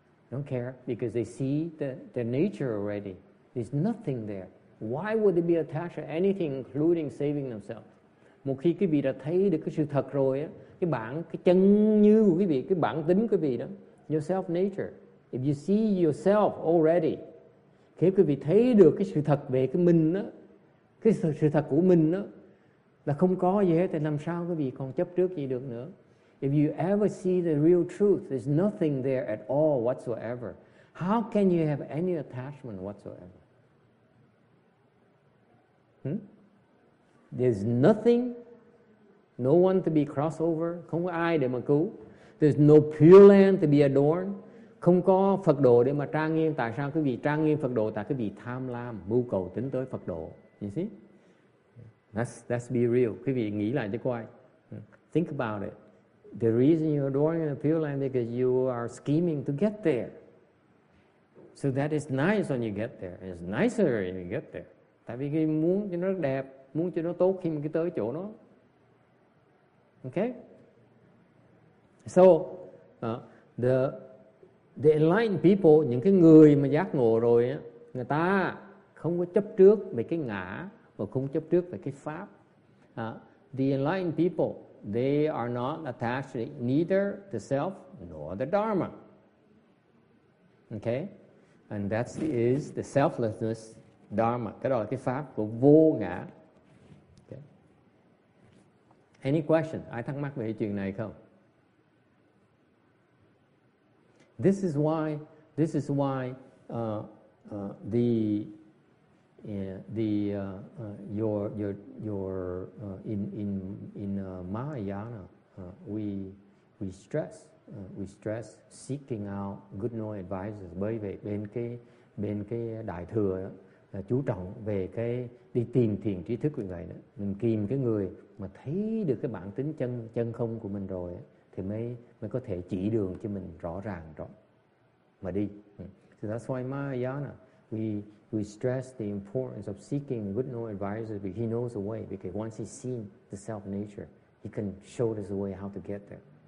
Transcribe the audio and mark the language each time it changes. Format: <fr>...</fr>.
<en>They don't care because they see the nature already. There's nothing there. Why would they be attached to anything, including saving themselves?</en> <vi>Một khi quý vị đã thấy được cái sự thật rồi á, cái bản, cái chân như của quý vị, cái bản tính của quý vị đó,</vi> <en>your self nature. If you see yourself already,</en> <vi>khi quý vị thấy được cái sự thật về cái mình đó, cái sự thật của mình đó, là không có gì hết, thì làm sao quý vị còn chấp trước gì được nữa?</vi> <en>If you ever see the real truth, there's nothing there at all whatsoever. How can you have any attachment whatsoever? There's nothing, no one to be crossed over,</en> <vi>không có ai để mà cứu.</vi> <en>There's no pure land to be adorned,</en> <vi>không có Phật độ để mà trang nghiêm. Tại sao quý vị trang nghiêm Phật độ? Tại quý vị tham lam, mưu cầu tính tới Phật độ.</vi> <en>You see? That's be real.</en> <vi>Quý vị nghĩ lại cho coi.</vi> <en>Think about it. The reason you're adoring the pure land because you are scheming to get there. So that is nice when you get there. It's nicer when you get there.</en> <vi>Tại vì quý vị muốn cho nó rất đẹp, muốn cho nó tốt khi mà cái tới chỗ nó. Okay?</vi> <en>So, the enlightened people,</en> <vi>những cái người mà giác ngộ rồi á, người ta không có chấp trước về cái ngã và không chấp trước về cái pháp.</vi> <en>The enlightened people, they are not attached to neither the self nor the dharma. Okay? And that is the selflessness dharma.</en> <vi>Cái đó là cái pháp của vô ngã.</vi> <en>Any question?</en> <vi>Ai thắc mắc về chuyện này không?</vi> <en>This is why in Mahayana we stress seeking out good knowing advisors.</en> <vi>Bởi vậy bên cái đại thừa đó, là chú trọng về cái đi tìm thiền trí thức của người đó, mình tìm cái người mà thấy được cái bản tính chân không của mình rồi ấy, thì mới có thể chỉ đường cho mình rõ ràng rõ mà đi.</vi> <en>So that's why Mahayana we stress the importance of seeking good knowing advisors because he knows the way, because once he's seen the self nature, he can show us the way how to get there.</en>